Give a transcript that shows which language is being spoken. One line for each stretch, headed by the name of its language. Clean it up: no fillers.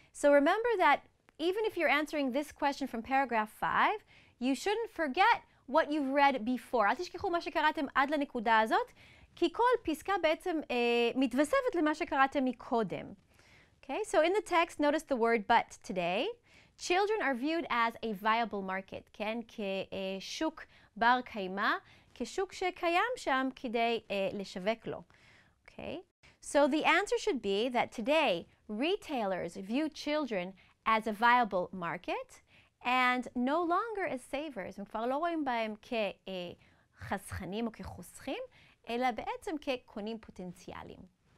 English: So remember that even if you're answering this question from paragraph 5, you shouldn't forget what you've read before.
Hebrew: אל תשכחו מה שקראתם עד לנקודה הזאת, כי כל פסקה בעצם מתווספת למה שקראתם מקודם. Okay?
English: So in the text, notice the word but today. Children are viewed as a viable market, כן?
Hebrew: כשוק בר קיימא, כשוק שקיים שם כדי לשווק לו.
English: Okay? So the answer should be that today, retailers view children as a viable market and no longer as savers.
Hebrew: הם כבר לא רואים בהם כחסכנים או כחוסכים, אלא בעצם כקונים פוטנציאליים.